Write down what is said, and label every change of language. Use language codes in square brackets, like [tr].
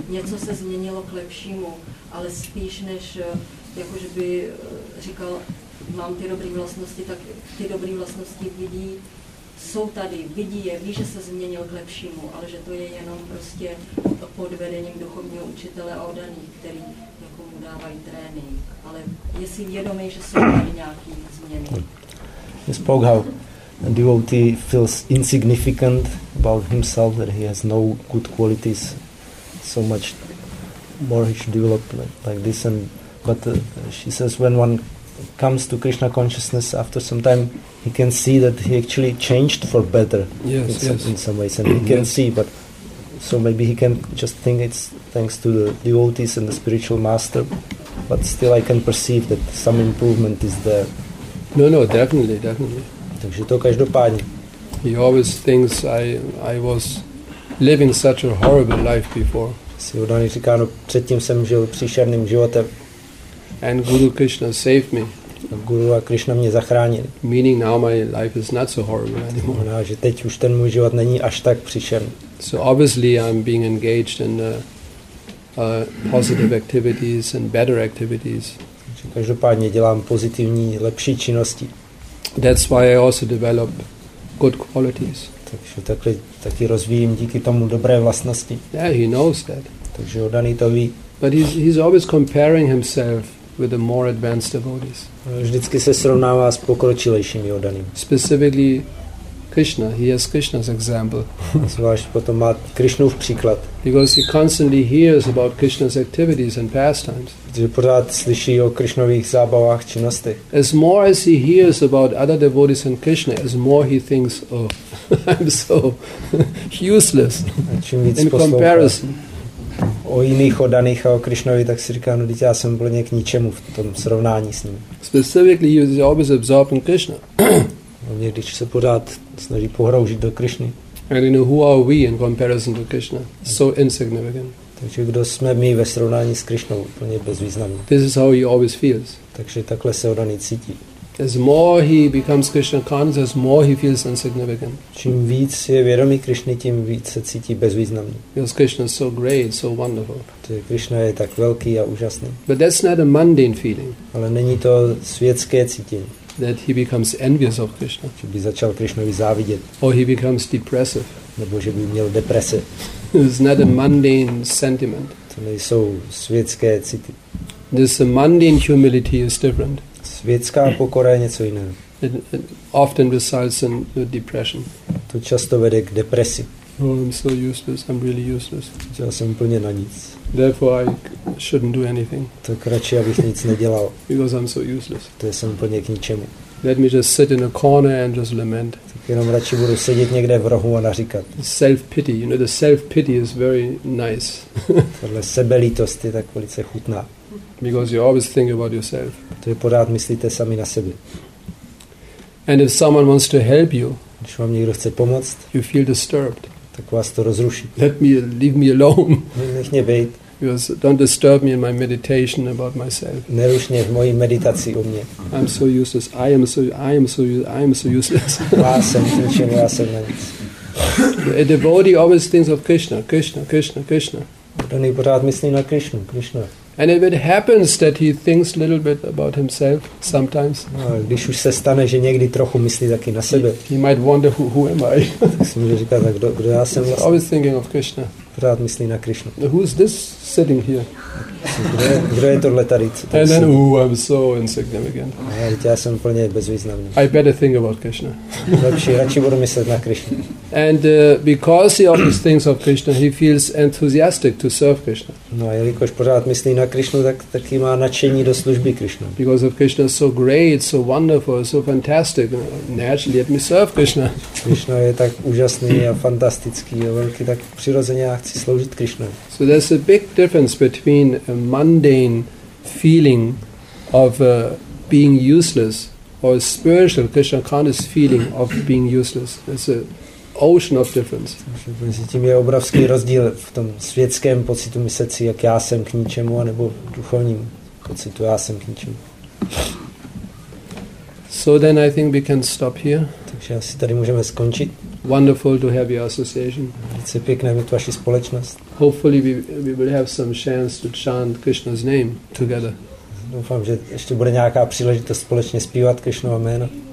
[cs] Něco se změnilo k lepšímu, ale spíš než, jakože by říkal, mám ty dobrý vlastnosti, tak ty dobrý vlastnosti vidí, jsou tady, vidí je, ví, že se změnil k lepšímu, ale že to je jenom prostě pod vedením duchovního učitele a oddaný, který jako mu dávají trénink. Ale je si vědomý, že jsou tady nějaký změny. [en] He spoke how a devotee feels insignificant about himself, that he has no good qualities, so much more he should develop like this. And but she says when one comes to Krishna consciousness, after some time he can see that he actually changed for better. Yes, in some ways, and he can see, but so maybe he can just think it's thanks to the devotees and the spiritual master, but still I can perceive that some improvement is there. No, definitely. [cs] Takže to každopádně. [en] He always thinks I was living such a horrible life before. [cs] Si Udhavi říká, no, předtím jsem žil příšerným životem. [en] And Guru Krishna saved me. [cs] A Guru a Krishna mě zachránili. [en] Meaning now my life is not so horrible anymore. [cs] No, že teď už ten můj život není až tak příšerný. [en] So obviously I'm being engaged in positive activities and better activities. [cs] Každopádně dělám pozitivní, lepší činnosti. [en] That's why I also develop good qualities. [cs] Takže taky rozvíjím díky tomu dobré vlastnosti. [en] Yeah, he knows that. [cs] Takže oddaný to ví. [en] But he's always comparing himself with the more advanced devotees. [cs] Vždycky se srovnává s pokročilejšími oddanými. [en] Specifically Krishna, he has Krishna's example. [cs] Zvlášť potom má Krishnův příklad. [en] Because he constantly hears about Krishna's activities and pastimes. [cs] Protože pořád slyší o Krishnových zábavách, činnostech. [en] As more as he hears about other devotees and Krishna, as more he thinks, oh, I'm so useless. [cs] A čím víc poslouchá o jiných oddaných a o Krishnovi, tak si říká, no, dítě, já jsem byl nějak k ničemu v tom srovnání s ním. [en] Specifically, he is always absorbed in Krishna. [cs] Oni, když se pořád snaží pohroužit do Krišny. [en] And you know, who are we in comparison to Krishna? So insignificant. [cs] Takže kdo jsme my ve srovnání s Krišnou, úplně bezvýznamný. [en] This is how he always feels. [cs] Takže takhle se oni cítí. [en] As more he becomes Krishna conscious, as more he feels insignificant. [cs] Čím víc je vědomý Krišny, tím víc se cítí bezvýznamný. [en] Because Krishna is so great, so wonderful. [cs] Takže Krišna je tak velký a úžasný. [en] But that's not a mundane feeling. [cs] Ale není to světské cítění. [en] That he becomes envious of Krishna. [cs] Že by začal Krishnovi závidět. [en] Or he becomes depressive. [cs] Nebo že by měl deprese. [en] It's not a mundane sentiment. [cs] To nejsou světské city. [en] This mundane humility is different. [cs] Světská pokora je něco jiného. [en] It often results in depression. [cs] To často vede k depresi. [en] Oh, I'm so useless. I'm really useless. [cs] Já jsem úplně na nic. [en] Therefore, I shouldn't do anything. [cs] Tak radši, abych nic nedělal. [en] Because I'm so useless. [cs] To jsem úplně k ničemu. [en] Let me just sit in a corner and just lament. [cs] Tak jenom radši budu sedět někde v rohu a naříkat. [en] Self-pity, you know, the self-pity is very nice. [cs] Tohle sebelítost je tak velice chutná. [en] Because you always think about yourself. [cs] To je pořád myslíte sami na sebe. [en] And if someone wants to help you, [cs] když vám někdo chce pomoct, [en] you feel disturbed. [cs] Tak vás to rozruší. [en] Let me, leave me alone. [cs] Nech mě bejt. [en] Because don't disturb me in my meditation about myself. [cs] Neruš mě v mojí meditaci o mě. [en] I'm so useless. I am so useless. [cs] Vlásem, ničem, já jsem na nic. [en] A devotee always thinks of Krishna. Krishna, Krishna, Krishna. [cs] Oni pořád myslí na Krishnu, Krishna. [en] And if it happens that he thinks a little bit about himself sometimes, [cs] no, když už se stane, že někdy trochu myslí taky na sebe, [en] he might wonder who am I. [cs] Tak si může říkat, tak kdo já jsem. [en] He's always thinking of Krishna. [cs] Pořád myslí na Krishnu. [en] Who's this sitting here? [cs] Kdo je tohle tady? [en] And myslí? Then, ooh, I'm so insignificant. [cs] No, já jsem úplně bezvýznamný. [en] I better think about Krishna. [cs] Radši budu myslet na Krishnu. [en] And because he always thinks of Krishna, he feels enthusiastic to serve Krishna. [cs] No a jelikož pořád myslí na Krishnu, tak taky má nadšení do služby Krishna. [en] Because of Krishna is so great, so wonderful, so fantastic, naturally let me serve Krishna. [cs] Krishna je tak úžasný a fantastický a velký, tak přirozeně já chci sloužit Krishna. [en] So there's a big difference between a mundane feeling of being useless or a spiritual Krishna conscious feeling of being useless. There's a ocean of difference. [cs] Mezi tím je obrovský rozdíl v tom světském pocitu myslící, jak já jsem k ničemu, anebo v duchovním pocitu, já jsem k ničemu. [en] So then I think we can stop here. [cs] Takže asi tady můžeme skončit. [en] Wonderful to have your association. [cs] Velice pěkné mít vaši společnost. [en] Hopefully we will have some chance to chant Krishna's name together. [cs] Doufám, že ještě bude nějaká příležitost společně zpívat Krishnova jméno.